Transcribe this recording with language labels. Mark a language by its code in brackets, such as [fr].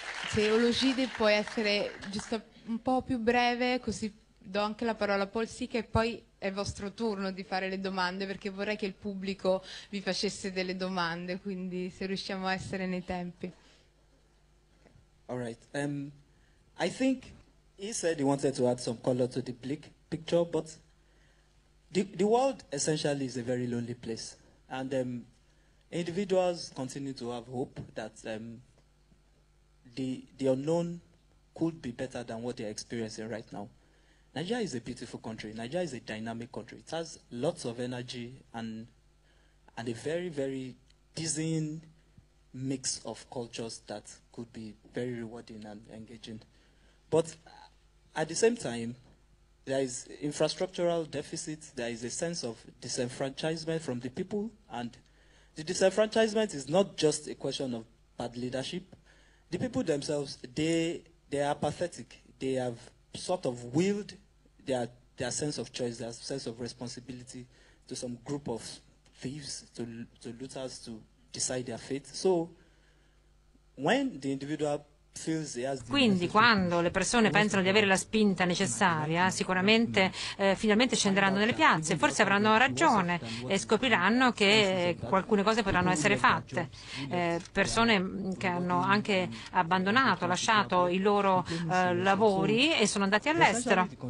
[it] Se Olojide può essere giusto un po' più breve, così do anche la parola a Paul Sica e poi è vostro turno di fare le domande, perché vorrei che il pubblico vi facesse delle domande, quindi se riusciamo a essere nei tempi. [en] All right. I think he said he wanted to add some color to the bleak picture, but the world essentially is a very lonely place, and individuals continue to have hope that the unknown could be better than what they are experiencing right now. Nigeria is a beautiful country. Nigeria is a dynamic country. It has lots of energy and a very, very dizzying mix of cultures that could be very rewarding and engaging. But at the same time, there is infrastructural deficit, there is a sense of disenfranchisement from the people, and the disenfranchisement is not just a question of bad leadership. The people themselves, they are apathetic. They have sort of willed their sense of choice, their sense of responsibility to some group of thieves, to looters, to decide their fate. So when the individual... [it] Quindi quando le persone pensano di avere la spinta necessaria, sicuramente finalmente scenderanno nelle piazze, forse avranno ragione e scopriranno che alcune cose potranno essere fatte. Persone che hanno anche abbandonato, lasciato i loro lavori e sono andati all'estero.